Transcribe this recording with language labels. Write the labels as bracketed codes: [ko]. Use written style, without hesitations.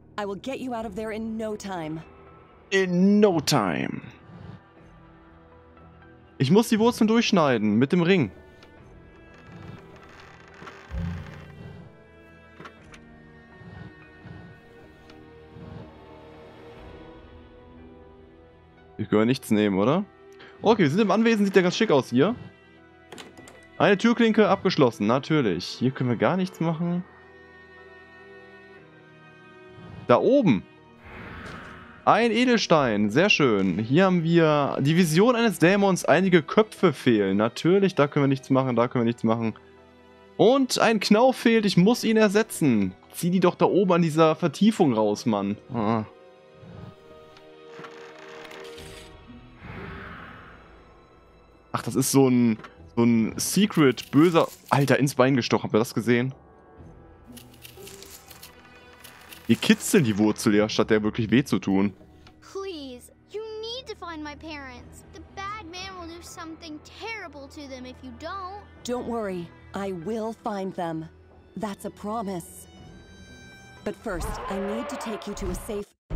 [en] I will get you out of there in no time. In no time. [de] Ich muss die Wurzeln durchschneiden mit dem Ring. Ich gehöre nichts nehmen, oder? Okay, wir sind im Anwesen, sieht ja ganz schick aus hier. Eine Türklinke abgeschlossen, natürlich. Hier können wir gar nichts machen. Da oben. Ein Edelstein, sehr schön. Hier haben wir die Vision eines Dämons, einige Köpfe fehlen. Natürlich, da können wir nichts machen, da können wir nichts machen. Und ein Knauf fehlt, ich muss ihn ersetzen. Zieh die doch da oben an dieser Vertiefung raus, Mann. Ah. Ach, das ist so ein Secret, böser... Alter, ins Bein gestochen, habt ihr das gesehen? Wir kitzeln die Wurzel ja, statt der wirklich weh zu tun. [en] Please, you need to find my parents. The bad man will do something terrible to them if you don't. Don't worry, I will find them. That's a promise. But first, I need to take you to a safe...